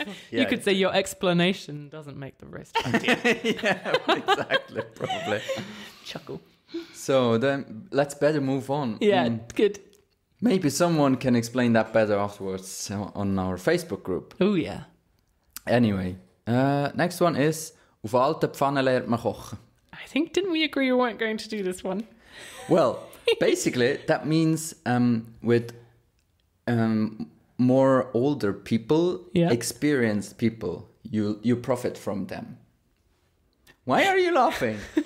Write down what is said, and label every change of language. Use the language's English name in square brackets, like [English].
[English] You could say your explanation doesn't make the roast. Yeah, exactly. Probably. Chuckle. So then let's better move on. Yeah, good. Maybe someone can explain that better afterwards on our Facebook group. Oh, yeah. Anyway, next one is, [German] auf alte Pfanne lernt man kochen. [English] I think, didn't we agree we weren't going to do this one? Well, basically, that means with more older people, yeah. Experienced people, you profit from them. Why are you laughing?